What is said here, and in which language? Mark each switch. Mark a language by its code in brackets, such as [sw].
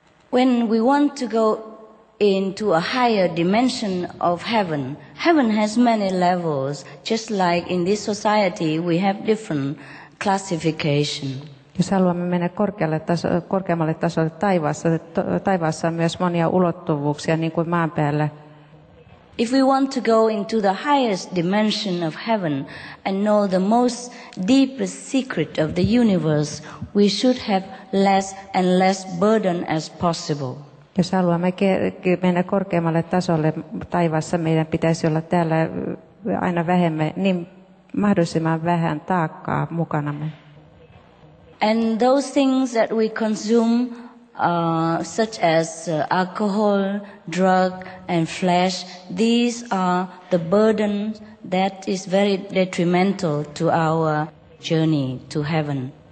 [en] When we want to go into a higher dimension of heaven, heaven has many levels, just like in this society we have different classification. [fi] Jos haluamme mennä korkeammalle tasolle taivaassa on myös monia ulottuvuuksia niin kuin maan päällä. [en] If we want to go into the highest dimension of heaven and know the most deepest secret of the universe, we should have less and less burden as possible. [fi] Jos haluamme mennä korkeammalle tasolle taivaassa, meidän pitäisi olla täällä aina vähemmän, niin mahdollisimman vähän taakkaa mukanamme. [en] And those things that we consume, such as alcohol, drug, and flesh, these are the burden that is very detrimental to our journey to heaven.